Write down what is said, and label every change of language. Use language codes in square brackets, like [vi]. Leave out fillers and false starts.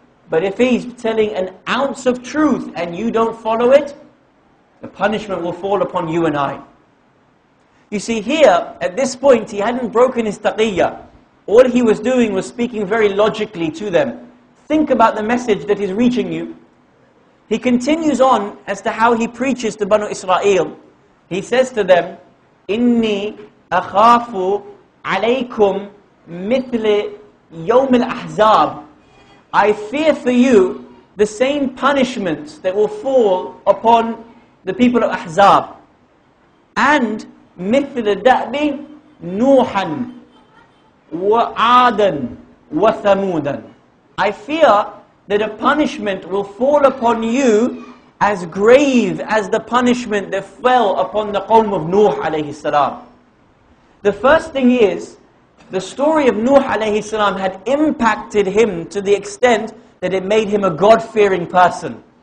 [en] But if he's telling an ounce of truth and you don't follow it, the punishment will fall upon you and I. You see, here, at this point, he hadn't broken his taqiyya. All he was doing was speaking very logically to them. Think about the message that is reaching you. He continues on as to how he preaches to Banu Israel. He says to them, [ar] إِنِّي أَخَافُ عَلَيْكُمْ مِثْلِ يَوْمِ الْأَحْزَابِ. [en] I fear for you the same punishment that will fall upon the people of Ahzab. [ar] And مِثْلِ دَأْبِ نُوحًا وَعَادًا وَثَمُودًا. [en] I fear that a punishment will fall upon you as grave as the punishment that fell upon the qawm of Nuh alayhi salam. The first thing is, the story of Nuh alayhi salam had impacted him to the extent that it made him a God-fearing person.